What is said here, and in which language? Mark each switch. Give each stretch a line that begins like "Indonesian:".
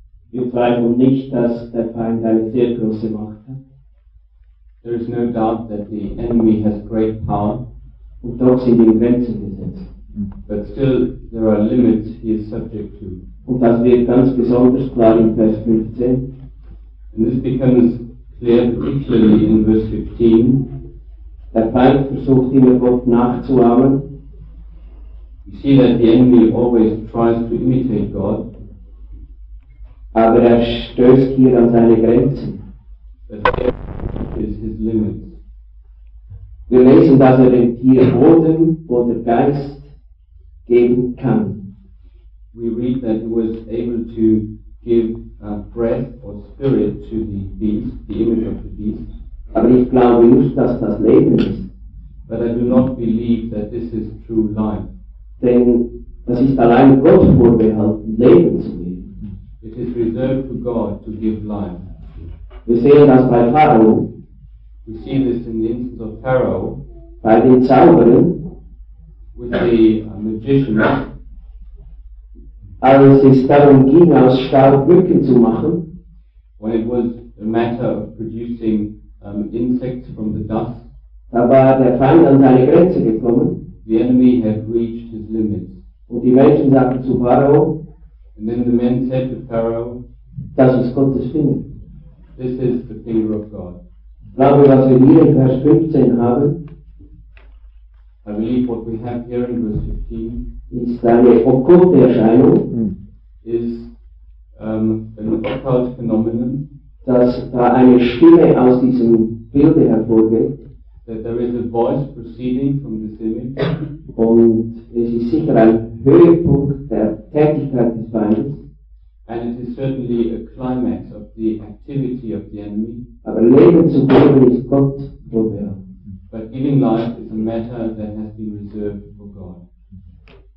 German: Wir zweifeln nicht, dass der Feind eine sehr große Macht hat.
English: There is no doubt that the enemy has great power.
German: Und doch sind ihm Grenzen gesetzt.
English: But still, there are limits he is subject to.
German: Und das wird ganz besonders klar in Vers 15.
English: And this becomes clear particularly in verse 15.
German: Der Feind versucht immer Gott nachzuahmen.
English: You see that the enemy always tries to imitate God.
German: Aber er stößt hier an seine Grenzen.
English: But here is his limits.
German: Wir lesen, dass er dem Tier Boden oder Geist geben kann.
English: We read that he was able to give breath or spirit to the beast, the image of the beast.
German: Aber ich glaube nicht, dass das Leben ist.
English: But I do not believe that this is true life.
German: Denn das ist allein Gott vorbehalten, Leben zu geben.
English: It is reserved for God to give life.
German: Wir sehen das bei Pharao.
English: We see this in the instance of Pharaoh.
German: Bei den Zauberern.
English: With the magician.
German: Als es darum ging, aus Stahl Brücken zu machen.
English: When it was a matter of producing insects from the dust.
German: Da war der Feind an seine Grenze gekommen.
English: The enemy had reached his limits.
German: Und die Menschen sagten zu Pharao.
English: And then the men said to Pharaoh.
German: Das ist Gottes Finger.
English: This is the finger of God.
German: Glaube, was wir hier in Vers 15 haben.
English: I believe what we have here in verse 15
German: ist eine okkulte Erscheinung.
English: Is an occult phenomenon.
German: Dass da eine Stimme aus diesem Bilde hervorgeht.
English: That there is a voice proceeding from this image.
German: Und es ist sicher ein Höhepunkt der Tätigkeit des Feindes.
English: And it is certainly a climax of the activity of the enemy.
German: Aber Leben zu geben ist Gott vorbehalten.
English: But giving life is a matter that has been reserved for God.